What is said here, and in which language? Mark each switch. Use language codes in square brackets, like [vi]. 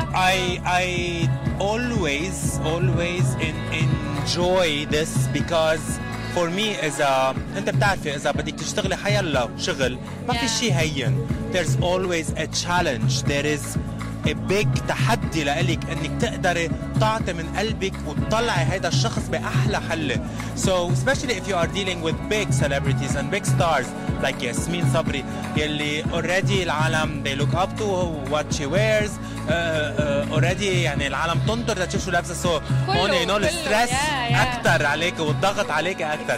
[en] Look, I always enjoy this because for me is a [ar] انت بتعرفي اذا بدك تشتغلي حيلا شغل ما في شيء هين. [en] There's always a challenge, there is a big [ar] تحدي لإلك انك تقدري تعطي من قلبك وتطلعي هذا الشخص باحلى حله. [en] So especially if you are dealing with big celebrities and big stars like ياسمين صبري يلي already العالم they look up to what she wears. [ar] Already يعني العالم تنطر تشوف شو لابسه. So هون [en] you know the stress [ar] اكثر عليك والضغط عليك اكثر.